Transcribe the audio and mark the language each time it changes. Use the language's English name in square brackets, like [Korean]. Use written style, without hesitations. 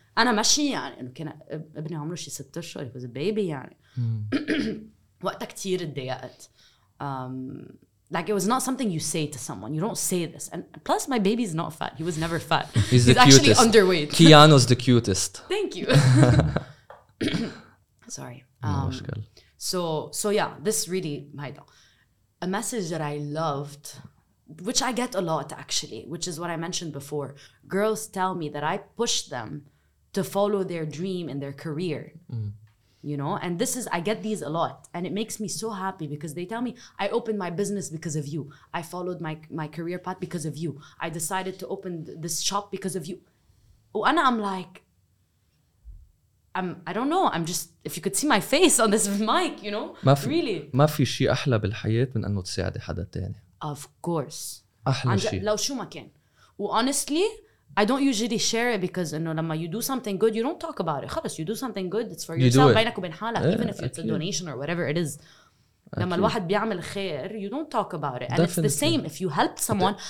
[Arabic] أنا ماشي يعني إنه كان ابني عمره شي ست أشهر. [English] It was a baby [Arabic] يعني. وقتها كتير اتضايقت. [English] Like it was not something you say to someone. You don't say this. And plus, my baby's not fat. He was never fat. He's actually underweight. Keanu's the cutest. Thank you. Sorry. So, this really, a message that I loved, which I get a lot actually, which is what I mentioned before. Girls tell me that I push them to follow their dream in their career. You know, and this is, I get these a lot and it makes me so happy because they tell me I opened my business because of you. I followed my career path because of you. I decided to open this shop because of you. And I'm like, I don't know. I'm just, if you could see my face on this mic, you know, [Arabic] ما في, [English] really. [Arabic] ما في شيء أحلى بالحياة من أنه تساعد حدا تاني. [English] Of course. [Arabic] أحلى شيء. لو شو ما كان. [English] Honestly, I don't usually share it because, you know, [Arabic] لما [English] you do something good, you don't talk about it. [Arabic] خلص, [English] you do something good, it's for yourself. [Arabic] بينك وبين حالك, [English] even if it's a donation or whatever it is. [Arabic] لما الواحد بيعمل خير, [English] you don't talk about it. And it's the same if you help someone.